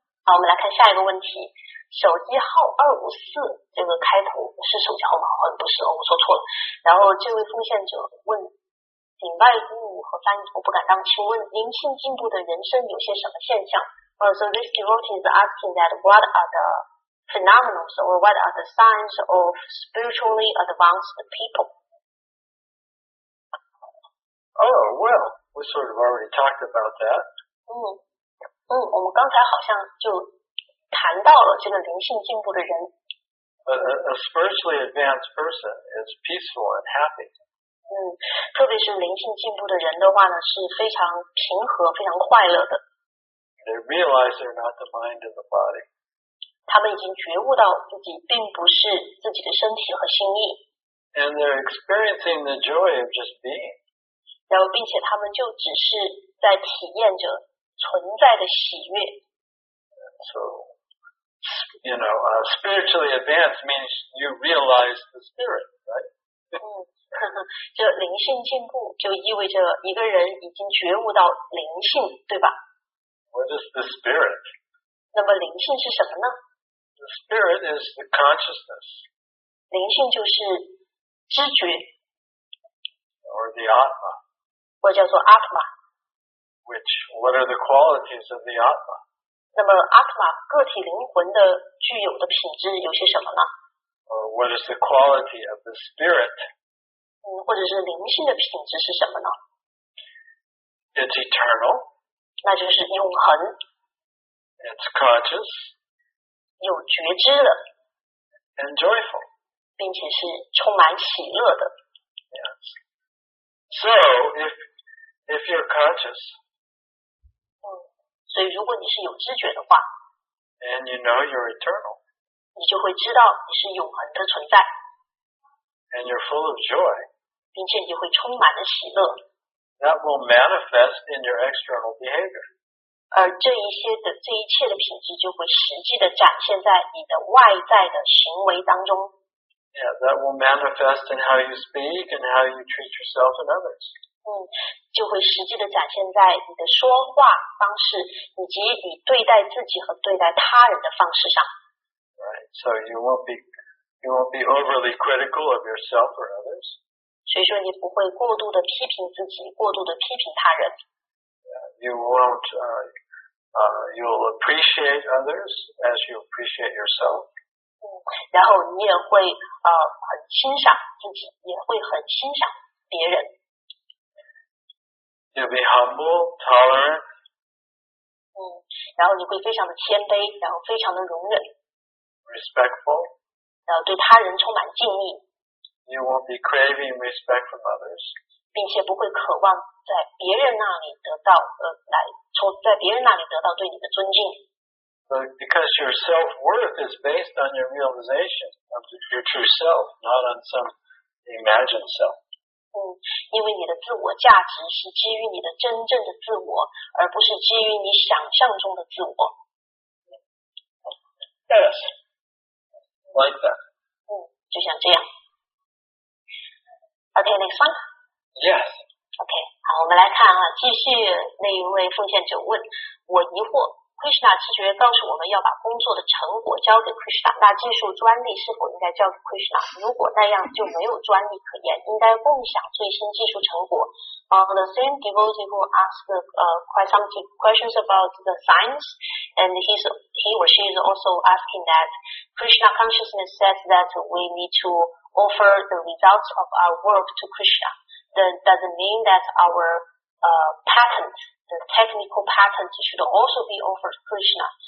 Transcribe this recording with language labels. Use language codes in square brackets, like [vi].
[zh] 好，我们来看下一个问题。手机号254这个开头是手机号码，好像不是哦，我说错了。然后这位奉献者问：顶外鼓舞和翻译我不敢当，请问灵性进步的人生有些什么现象？ [en] So this devotee is asking that what are the phenomena or what are the signs of spiritually advanced people? Oh, well, we sort of already talked about that. [zh] 嗯，我们刚才好像就谈到了这个灵性进步的人。 [en] A spiritually advanced person is peaceful and happy. [zh] 嗯，特别是灵性进步的人的话呢，是非常平和，非常快乐的。 [en] They realize they're not the mind and the body. [zh] 他们已经觉悟到自己并不是自己的身体和心意。 [en] And they're experiencing the joy of just being. [zh] 然后并且他们就只是在体验着存在的喜悦。 [en] So, you know, spiritually advanced means you realize the spirit, right? [zh] 就灵性进步就意味着一个人已经觉悟到灵性，对吧？ [en] What is the spirit? [zh] 那么灵性是什么呢？ [en] The spirit is the consciousness. [zh] 灵性就是知觉。 [en] Or the Atma. [zh] 或叫做 Atma. [en] Which, what are the qualities of the Atma? [zh] 那么 Atma, 个体灵魂的具有的品质有些什么呢？ [en] Or what is the quality of the spirit? [zh] 或者是灵性的品质是什么呢？ [en] It's eternal. [zh] 那就是永恒。 [en] It's conscious. [zh] 有觉知的。 [en] And joyful. [zh] 并且是充满喜乐的。 [en] Yes. So, if you're conscious. [zh] 所以如果你是有知觉的话。 [en] And you know you're eternal. [zh] 你就会知道你是永恒的存在。 [en] And you're full of joy. [zh] 并且你会充满了喜乐。 [en] That will manifest in your external behavior. [zh] 而这一些的这一切的品质就会实际的展现在你的外在的行为当中。 [en] Yeah, that will manifest in how you speak and how you treat yourself and others. [zh] 就会实际的展现在你的说话方式以及你对待自己和对待他人的方式上。 [en] Right, so you won't be overly critical of yourself or others. [zh] 所以说你不会过度的批评自己，过度的批评他人。 [en] You won't, you'll appreciate others as you appreciate yourself. [zh] 然后你也会很欣赏自己，也会很欣赏别人。 [en] You'll be humble, tolerant. [zh] 然后你会非常的谦卑，然后非常的容忍。 [en] Respectful. [zh] 然后对他人充满敬意。 [en] You won't be craving respect from others. [zh] 并且不会渴望在别人那里得到在别人那里得到对你的尊敬。 [en] But because your self-worth is based on your realization of your true self, not on some imagined self. [zh] 因为你的自我价值是基于你的真正的自我，而不是基于你想象中的自我。 [en] Yes. Like that. [zh] 就像这样。 [en] Okay, next one. Yes. [zh] Okay, 好，我们来看啊，继续那一位奉献者问，我疑惑 ，Krishna 直觉告诉我们要把工作的成果交给 Krishna， 那技术专利是否应该交给 Krishna？如果那样就没有专利可言，应该共享最新技术成果。 [en] The same devotee who asked quite some questions about the science, and he or she is also asking that Krishna consciousness says that we need to. Offer the results of our work to Krishna, then does it mean that our patent, the technical patent, should also be offered to Krishna?